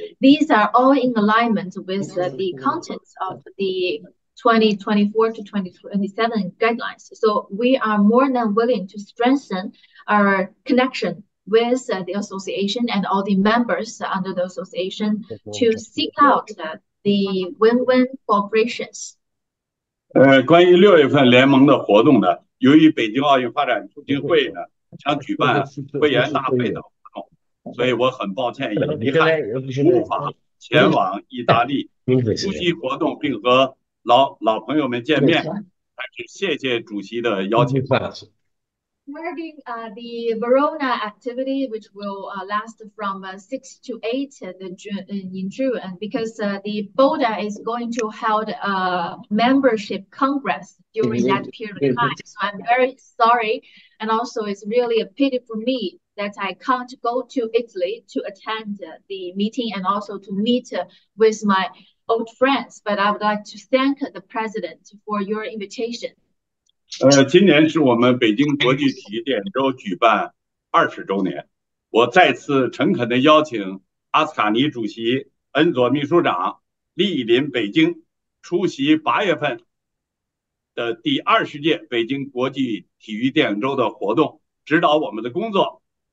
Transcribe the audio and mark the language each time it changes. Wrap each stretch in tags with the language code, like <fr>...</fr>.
<en>These are all in alignment with the contents of the 2024 to 2027 guidelines. So we are more than willing to strengthen our connection with the association and all the members under the association to seek out the win-win cooperations.</en> <zh>关于六月份联盟的活动呢，由于北京奥运发展促进会呢想举办会员大会的活动，所以我很抱歉也遗憾无法前往意大利出席活动并和老朋友们见面，还是谢谢主席的邀请。</zh> <en>Regarding the Verona activity, which will last from 6 to 8 in June, and because the Boulder is going to hold a membership congress during that period of time, so I'm very sorry, and also it's really a pity for me that I can't go to Italy to attend the meeting and also to meet with my old friends. But I would like to thank the president for your invitation.</en> <zh>今年是我们北京国际体育电影周举办20周年，我再次诚恳地邀请阿斯卡尼主席、恩佐秘书长莅临北京，出席8月份的第20届北京国际体育电影周的活动，指导我们的工作。</zh>